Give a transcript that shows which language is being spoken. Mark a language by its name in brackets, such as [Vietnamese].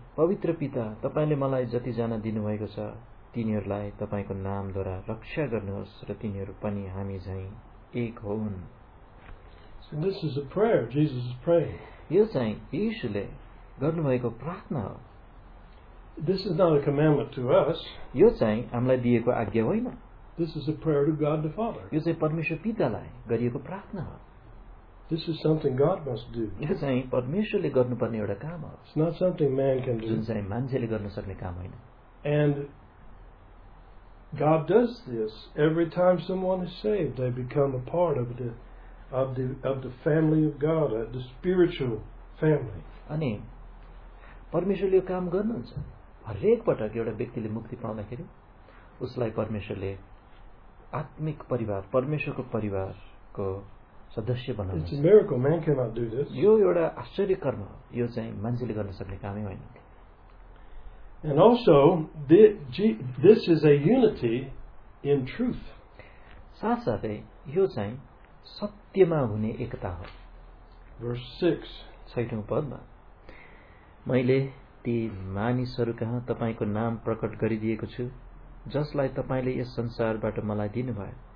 [Nepali] पवित्र पिता, तपाईँले मलाई जतिजना दिनुभएको छ तिनीहरूलाई तपाईँको नामद्वारा रक्षा गर्नुहोस् र तिनीहरू पनि हामी झैँ एक होउन्. [English] So this is a prayer. Jesus is praying. [Nepali] यो चाहिँ यीशुले गर्नुभएको प्रार्थना हो. [English] This is not a commandment to us. [Nepali] यो चाहिँ हामीलाई दिएको आज्ञा होइन. [English] This is a prayer to God the Father. [Nepali] यो चाहिँ परमेश्वर पितालाई गरिएको प्रार्थना हो. [English] This is something God must do. [Nepali] यो चाहिँ परमेश्वरले गर्नुपर्ने एउटा काम हो. [English] It's not something man can do. [Nepali] जुन चाहिँ मान्छेले गर्न सक्ने काम होइन. [English] And God does this every time someone is saved, they become a part of the family of God, the spiritual family. [Nepali] अनि परमेश्वरले यो काम गर्नुहुन्छ. हरेक पटक एउटा व्यक्तिले मुक्ति पाउँदाखेरि उसलाई परमेश्वरले आत्मिक परिवार, परमेश्वरको परिवारको सदस्य बनाउनुहुन्छ. [English] It's a miracle. Man cannot do this. [Nepali] यो एउटा आश्चर्य कर्म, यो चाहिँ मान्छेले गर्न सक्ने कामै होइन. [English] And also, this is a unity in truth. [Nepali] साथसाथै यो चाहिँ सत्यमा हुने एकता हो. [English] Verse 6. [Nepali] छैटौँ पदमा, मैले ती मानिसहरू कहाँ तपाईँको नाम प्रकट गरिदिएको छु जसलाई तपाईँले यस संसारबाट मलाई दिनुभयो.